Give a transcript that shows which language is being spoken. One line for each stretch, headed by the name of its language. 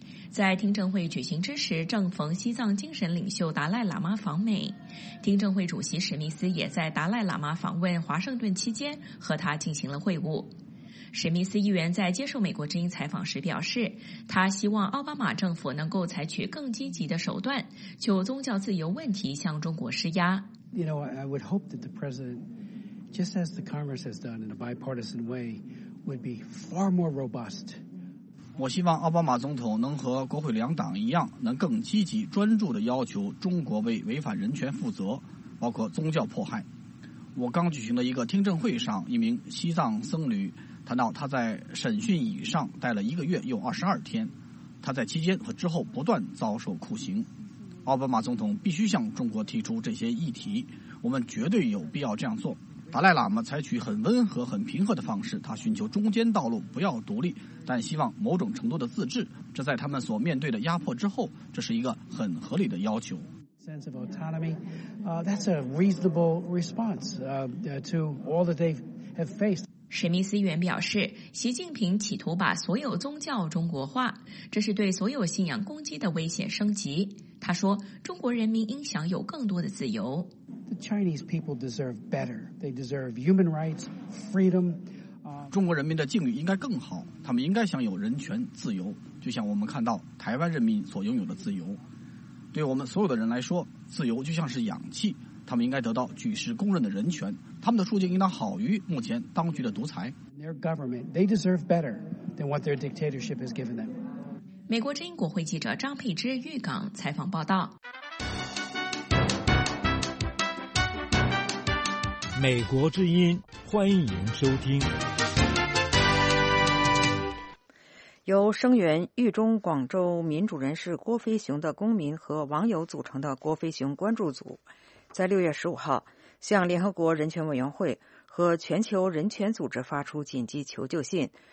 Chinese: 在听证会举行之时，正逢西藏精神领袖达赖喇嘛访美，听证会主席史密斯也在达赖喇嘛访问华盛顿期间和他进行了会晤。史密斯议员在接受美国之音采访时表示，他希望奥巴马政府能够采取更积极的手段，就宗教自由问题向中国施压。
English: I would hope that the president, just as the Congress has done in a bipartisan way, would be far more robust.
Chinese: 我希望奥巴马总统能和国会两党一样，能更积极专注地要求中国为违反人权负责，包括宗教迫害。我刚举行的一个听证会上，一名西藏僧侣谈到他在审讯椅上待了一个月又22天，他在期间和之后不断遭受酷刑。奥巴马总统必须向中国提出这些议题，我们绝对有必要这样做。达赖喇嘛采取很温和很平和的方式，他寻求中间道路，不要独立，但希望某种程度的自治，这在他们所面对的压迫之后，这是一个很合理的要求。
English: Sense of autonomy, that's a reasonable response, to all that they have faced.
Chinese: 史密斯议员表示，习近平企图把所有宗教中国化，这是对所有信仰攻击的危险升级。他说，中国人民应享有更多的自由。
English: The Chinese people deserve better. They deserve human rights, freedom.
Chinese: 中国人民的境遇应该更好，他们应该享有人权、自由，就像我们看到台湾人民所拥有的自由。对我们所有的人来说，自由就像是氧气，他们应该得到举世公认的人权，他们的处境应当好于目前当局的独裁。
English: Their government, they deserve better than what their dictatorship has given them.
Chinese: 美国之音国会记者张佩芝预港采访报道。美国之音，欢迎收听。由声援豫中广州民主人士郭飞雄的公民和网友组成的郭飞雄关注组，在6月15号向联合国人权委员会和全球人权组织发出紧急求救信，